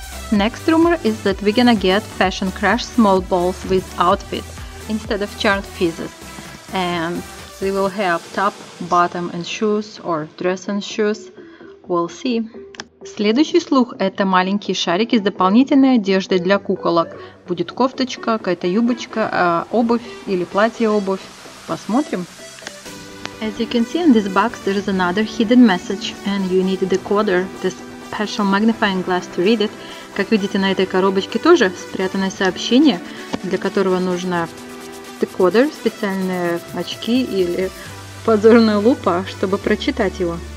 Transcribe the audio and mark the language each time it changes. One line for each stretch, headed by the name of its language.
English: Next rumor is that we're gonna get fashion crush small balls with outfit instead of charmed pieces. And they will have top, bottom and shoes or dress and shoes. We'll see.
Russian: Следующий слух – это маленькие шарики с дополнительной одеждой для куколок. Будет кофточка, какая-то юбочка, обувь или платье-обувь. Посмотрим.
English: As you can see in this box, there is another hidden message and you need a decoder, the special magnifying glass to read it.
Russian: Как видите, на этой коробочке тоже спрятанное сообщение, для которого нужно декодер, специальные очки или подзорная лупа, чтобы прочитать его.